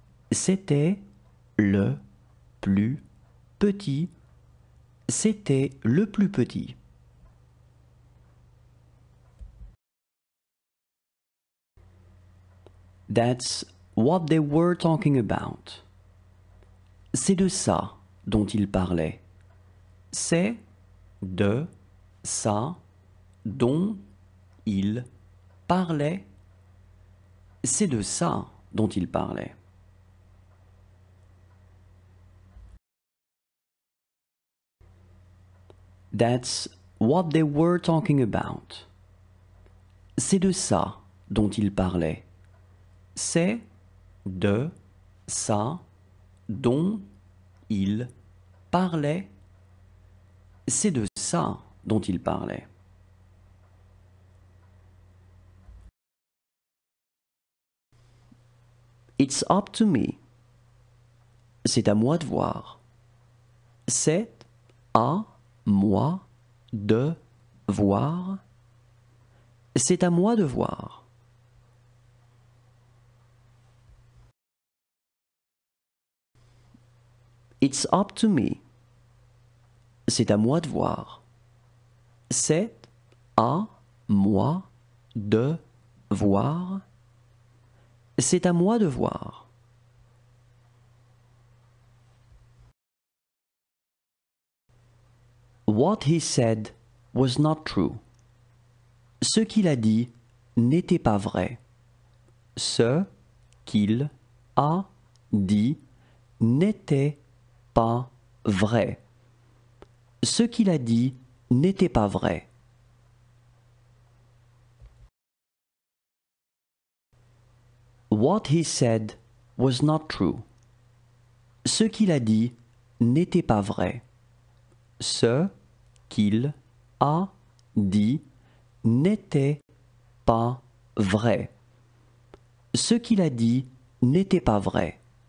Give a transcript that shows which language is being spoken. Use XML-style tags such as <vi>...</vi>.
<fr>C'était le plus petit. C'était le plus petit.</fr> <en>That's what they were talking about.</en> <fr>C'est de ça dont ils parlaient. C'est de ça dont ils parlaient. C'est de ça dont il parlait.</fr> <en>That's what they were talking about.</en> <fr>C'est de ça dont il parlait. C'est de ça dont il parlait. C'est de ça dont il parlait.</fr> <en>It's up to me.</en> <fr>C'est à moi de voir. C'est à moi de voir. C'est à moi de voir.</fr> <en>It's up to me.</en> <fr>C'est à moi de voir. C'est à moi de voir. C'est à moi de voir.</fr> <en>What he said was not true.</en> <fr>Ce qu'il a dit n'était pas vrai. Ce qu'il a dit n'était pas vrai. Ce qu'il a dit n'était pas vrai.</fr> <en>What he said was not true.</en> <fr>Ce qu'il a dit n'était pas vrai. Ce qu'il a dit n'était pas vrai. Ce qu'il a dit n'était pas vrai.</fr>